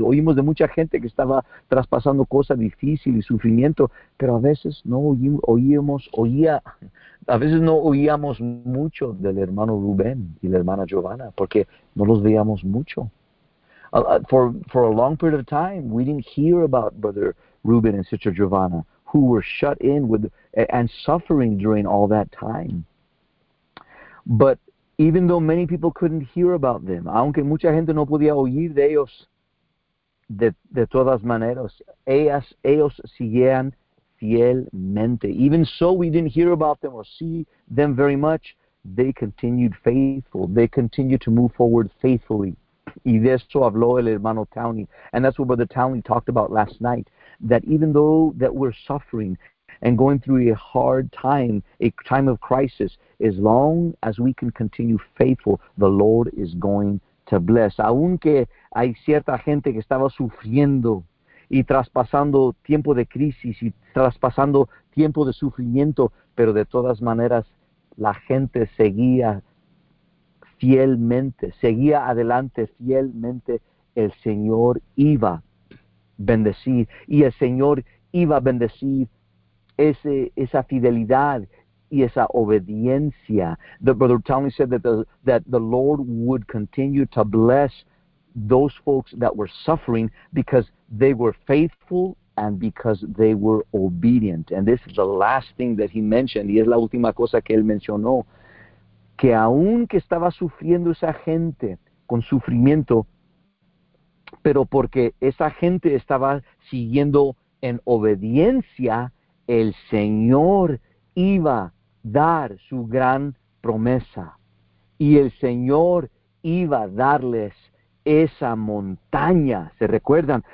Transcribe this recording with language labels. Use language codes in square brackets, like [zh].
[es] Oímos de mucha gente que estaba traspasando cosas difíciles y sufrimiento, pero a veces no oíamos mucho del hermano Rubén y la hermana Giovanna, porque no los veíamos mucho. [en] For a long period of time, we didn't hear about Brother Ruben and Sister Giovanna, who were shut in with and suffering during all that time. But even though many people couldn't hear about them, [es] aunque mucha gente no podía oír de ellos, de todas maneras, ellos seguían fielmente. [en] Even so, we didn't hear about them or see them very much. They continued faithful. They continued to move forward faithfully. [es] Y de esto habló el hermano Townley. [en] And that's what Brother Townley talked about last night, that even though that we're suffering and going through a hard time, a time of crisis, as long as we can continue faithful, the Lord is going to bless. [es] Aunque hay cierta gente que estaba sufriendo y traspasando tiempo de crisis y traspasando tiempo de sufrimiento, pero de todas maneras la gente seguía fielmente, seguía adelante fielmente, el Señor iba a bendecir y el Señor iba a bendecir esa fidelidad y esa obediencia. [en] The Brother Townley said that the Lord would continue to bless those folks that were suffering because they were faithful and because they were obedient. And this is the last thing that he mentioned, [es] y es la última cosa que él mencionó, que aunque estaba sufriendo esa gente con sufrimiento, pero porque esa gente estaba siguiendo en obediencia, el Señor iba a dar su gran promesa y el Señor iba a darles esa montaña. ¿Se recuerdan?